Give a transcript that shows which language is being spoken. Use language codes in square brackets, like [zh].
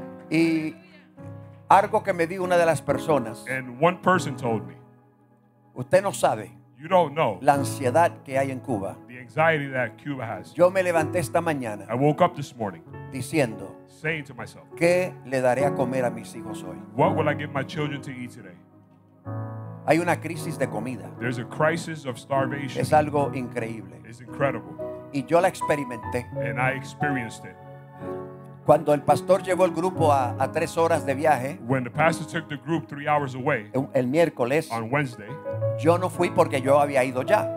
[es] Y algo que me dijo una de las personas. [en] And one person told me. [es] Usted no sabe. [en] You don't know [es] la ansiedad que hay en Cuba. [en] The anxiety that Cuba has. [es] Yo me levanté esta mañana. [en] I woke up this morning. [es] Diciendo. [en] Saying to myself. [es] ¿Qué le daré a comer a mis hijos hoy? [en] What will I give my children to eat today? [es] Hay una crisis de comida. [en] There's a crisis of starvation. [es] Es algo increíble. [en] It's incredible. [es] Y yo la experimenté. [en] And I experienced it. [es] Cuando el pastor llevó el grupo a tres horas de viaje, [en] when the pastor took the group 3 hours away, [es] el miércoles, [en] on Wednesday, [es] yo no fui porque yo había ido ya.